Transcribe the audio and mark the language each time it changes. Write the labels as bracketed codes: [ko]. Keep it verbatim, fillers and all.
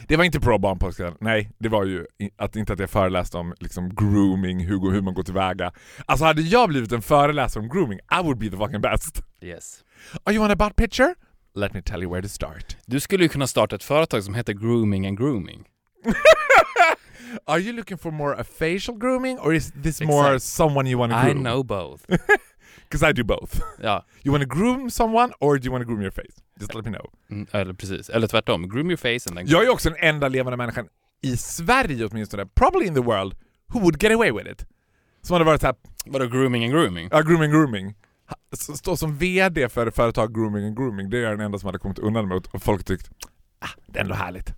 [sv] Det var inte pro-barnporr. Nej, det var ju att, inte att jag föreläste om liksom, grooming, hur, hur man går tillväga. Alltså hade jag blivit en föreläsare om grooming, [en] I would be the fucking best. Yes. Are you on a butt picture? Let me tell you where to start. [sv] Du skulle ju kunna starta ett företag som heter Grooming and Grooming. [en] Are you looking for more a facial grooming or is this more exactly. someone you want to groom? I know both. Because I do both. [sv] Ja. [en] You want to groom someone or do you want to groom your face? Just let me know. [sv] Mm, eller precis. Eller tvärtom. [en] Groom your face and then... [sv] Jag är också den enda levande människan i Sverige åtminstone, [en] probably in the world, who would get away with it. [sv] Som hade varit så här... Vadå, grooming and grooming? Ja, uh, grooming grooming. Stå som vd för företag grooming and grooming. Det är den enda som hade kommit undan med och folk tyckt ah, det är ändå härligt.